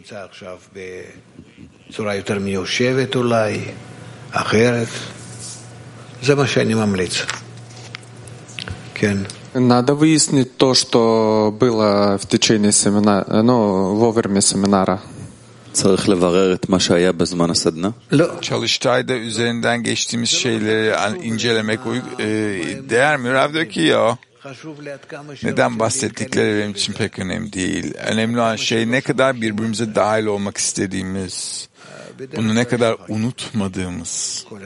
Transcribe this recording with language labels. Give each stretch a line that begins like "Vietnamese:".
Hebrew: עכשיו בצורה יותר מיושבת אולי אחרת זה מה שאני ממליץ כן
Russian: надо выяснить то что было в течение семинара ну во время семинара
Hebrew: צריך לברר את מה שהיה בזמן הסדנה לא
Turkish: çalıştayda üzerinden geçtiğimiz şeyleri incelemek değer mi Rav diyor ki ya neden bahsettikleri benim için pek önemli değil. Önemli olan şey ne kadar birbirimize dahil olmak istediğimiz, bunu ne kadar unutmadığımız.